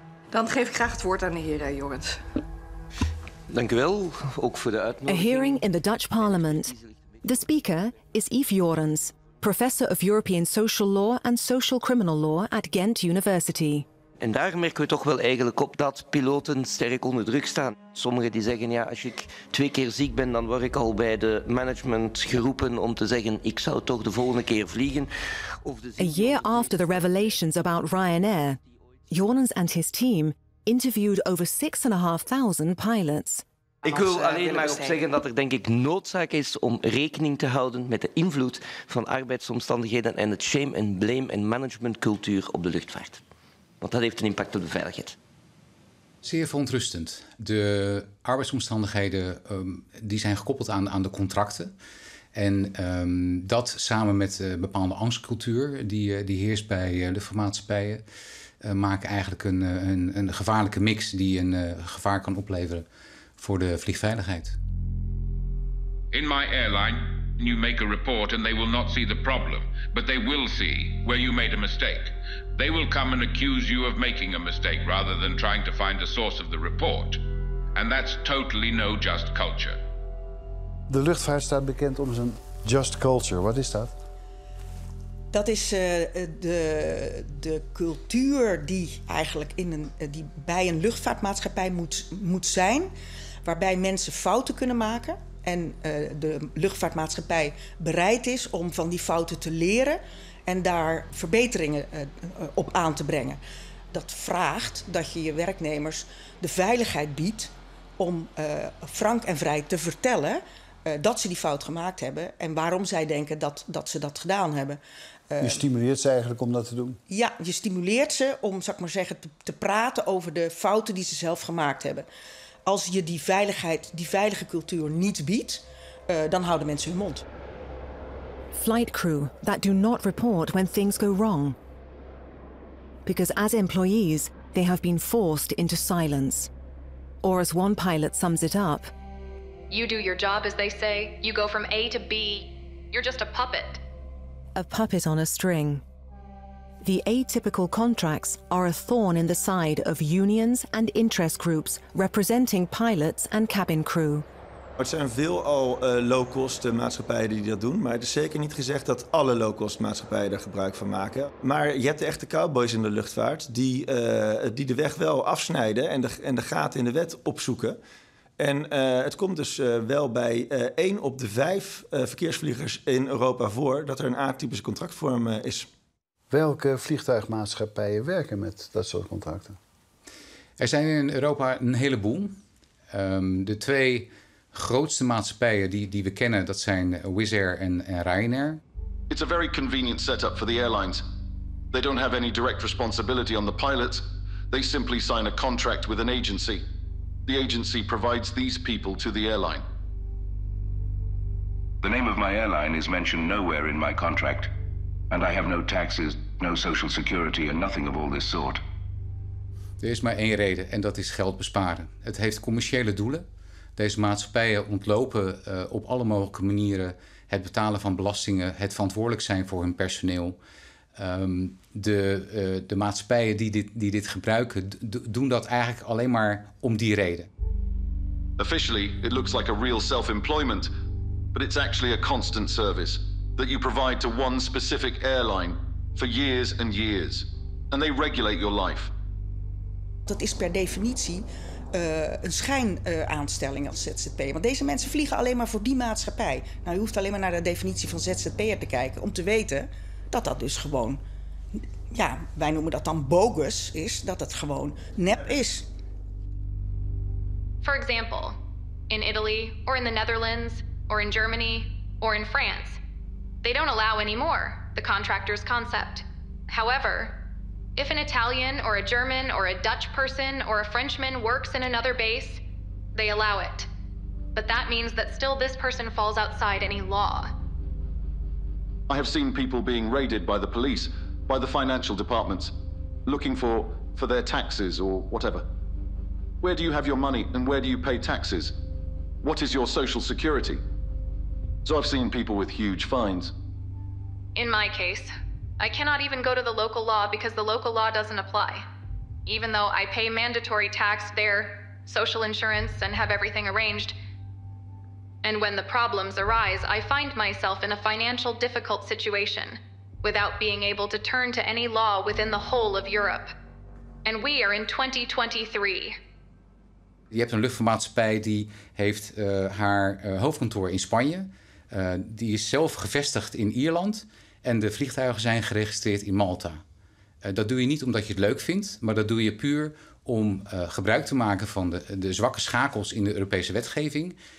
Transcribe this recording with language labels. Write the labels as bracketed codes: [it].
[nl] Dan geef ik graag het woord aan de heren, jongens. Dank u wel, ook voor de uitnodiging. [en] A hearing in the Dutch Parliament. The speaker is Yves Jorens, professor of European Social Law and Social Criminal Law at Ghent University. [nl] En daar merken we toch wel eigenlijk op dat piloten sterk onder druk staan. Sommigen die zeggen, ja, als ik 2 keer ziek ben, dan word ik al bij de management geroepen om te zeggen, ik zou toch de volgende keer vliegen. Of de... [en] A year after the revelations about Ryanair, Jorens and his team interviewed over 6,500 pilots. [nl] Ik wil alleen maar op zeggen dat er denk ik noodzaak is om rekening te houden met de invloed van arbeidsomstandigheden en het [en] shame and blame [nl] en managementcultuur op de luchtvaart. Want dat heeft een impact op de veiligheid. Zeer verontrustend. De arbeidsomstandigheden die zijn gekoppeld aan de contracten. En dat samen met een bepaalde angstcultuur die heerst bij luchtvaartmaatschappijen, maken eigenlijk een gevaarlijke mix die een gevaar kan opleveren voor de vliegveiligheid. [en] In my airline, you make a report and they will not see the problem. But they will see where you made a mistake. They will come and accuse you of making a mistake rather than trying to find the source of the report. And that's totally no just culture. [nl] De luchtvaart staat bekend om zijn just culture. Wat is dat? Dat is de cultuur die eigenlijk die bij een luchtvaartmaatschappij moet zijn, waarbij mensen fouten kunnen maken. En de luchtvaartmaatschappij bereid is om van die fouten te leren en daar verbeteringen op aan te brengen. Dat vraagt dat je je werknemers de veiligheid biedt om frank en vrij te vertellen dat ze die fout gemaakt hebben en waarom zij denken dat ze dat gedaan hebben. Je stimuleert ze eigenlijk om dat te doen? Ja, je stimuleert ze om, zal ik maar zeggen, te praten over de fouten die ze zelf gemaakt hebben. Als je die veiligheid, die veilige cultuur niet biedt, dan houden mensen hun mond. [en] Flight crew that do not report when things go wrong. Because as employees, they have been forced into silence. Or as one pilot sums it up. You do your job as they say, you go from A to B. You're just a puppet. A puppet on a string. The atypical contracts are a thorn in the side of unions and interest groups representing pilots and cabin crew. [nl] Het zijn veelal low-cost maatschappijen die dat doen, maar het is zeker niet gezegd dat alle low-cost maatschappijen daar gebruik van maken. Maar je hebt de echte cowboys in de luchtvaart die de weg wel afsnijden en de gaten in de wet opzoeken. En het komt dus wel bij 1 op de 5 verkeersvliegers in Europa voor dat er een atypische contractvorm is. Welke vliegtuigmaatschappijen werken met dat soort contracten? Er zijn in Europa een heleboel. De 2 grootste maatschappijen die we kennen, dat zijn Wizz Air en Ryanair. [en] It's a very convenient setup for the airlines. They don't have any direct responsibility on the pilots. They simply sign a contract with an agency. The agency provides these people to the airline. The name of my airline is mentioned nowhere in my contract. And I have no taxes, no social security, and nothing of all this sort. [nl] Er is maar één reden en dat is geld besparen. Het heeft commerciële doelen. Deze maatschappijen ontlopen op alle mogelijke manieren het betalen van belastingen, het verantwoordelijk zijn voor hun personeel. De maatschappijen die dit gebruiken, doen dat eigenlijk alleen maar om die reden. [en] Officially, it looks like a real self-employment, but it's actually a constant service that you provide to one specific airline for years and years. And they regulate your life. [nl] Dat is per definitie een schijnaanstelling als ZZP. Want deze mensen vliegen alleen maar voor die maatschappij. Nou, je hoeft alleen maar naar de definitie van ZZP'er te kijken om te weten dat dat dus gewoon, ja, wij noemen dat dan bogus, is dat het gewoon nep is. [en] For example, in Italy, or in the Netherlands, or in Germany, or in France, they don't allow anymore the contractor's concept. However, if an Italian or a German or a Dutch person or a Frenchman works in another base, they allow it. But that means that still this person falls outside any law. I have seen people being raided by the police, by the financial departments, looking for their taxes or whatever. Where do you have your money and where do you pay taxes? What is your social security? So I've seen people with huge fines. In my case, I cannot even go to the local law because the local law doesn't apply. Even though I pay mandatory tax there, social insurance, and have everything arranged. And when the problems arise, I find myself in a financial difficult situation without being able to turn to any law within the whole of Europe. And we are in 2023. [nl] Je hebt een luchtvaartmaatschappij die heeft haar hoofdkantoor in Spanje. Die is zelf gevestigd in Ierland. En de vliegtuigen zijn geregistreerd in Malta. Dat doe je niet omdat je het leuk vindt, maar dat doe je puur om gebruik te maken van de zwakke schakels in de Europese wetgeving.